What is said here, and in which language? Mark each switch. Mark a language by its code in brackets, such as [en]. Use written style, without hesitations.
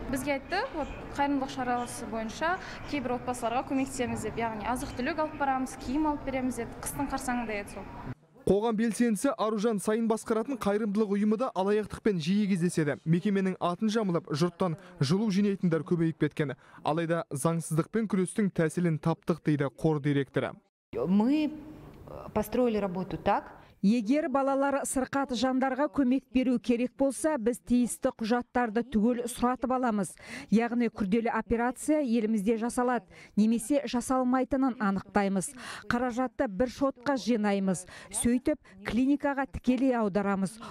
[kk] Бізге айтты, қайырымдылық шарасы бойынша кейбір отбасыларға көмектесеміз деп, яғни азық-түлік алып барамыз, киім алып береміз деп, қыстың қарсаңында еді сол. Қоғам белсендісі Аружан Сайын басқаратын қайырымдылық ұйымы да алаяқтықпен жиі кездеседі. Мекеменің атын жамылып, жұрттан жылу жинайтындар көбейіп кеткен. Алайда заңсыздықпен күрестің тәсілін таптық, дейді қор директоры. [ru] Мы построили работу так. [kk] Егер балалар сырқат жандарға көмек беру керек болса, біз тиісті құжаттарды түгел сұратып аламыз. Яғни күрделі операция елімізде жасалады, немесе жасалмайтынын анықтаймыз. Қаражатты бір шотқа жинаймыз, сөйтіп клиникаға тікелей аударамыз.